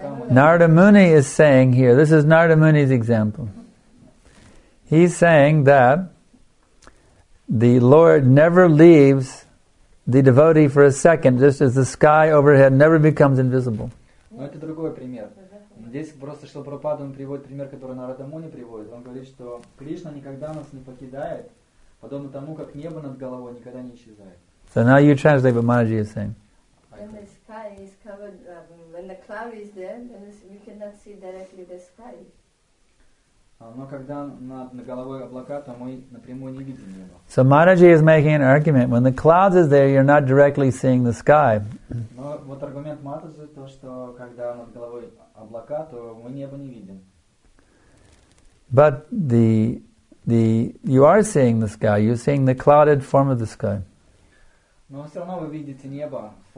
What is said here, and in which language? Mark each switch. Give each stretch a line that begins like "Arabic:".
English: Narada Muni is saying here, this is Narada Muni's example. He's saying that the Lord never leaves the devotee for a second, just as the sky overhead never becomes invisible.
Russian: Но это другой пример. Здесь просто что Прабхупада приводит пример, который Нарада Муни приводит. Он говорит, что Кришна никогда нас не покидает, подобно тому, как небо над головой никогда не исчезает.
English: So now you translate what Maharaji is saying. When the sky is covered, when the cloud is there, then we cannot see directly the sky.
Russian: Но когда над головой облака, то мы напрямую не видим небо.
English: So Maharaji is making an argument. When the clouds is there, you're not directly seeing the sky.
Russian: Но вот аргумент Матаджи то, что когда над головой облака, то мы небо не видим.
English: But the you are seeing the sky. You're seeing the clouded form of the sky.
Russian: Но все равно вы видите небо.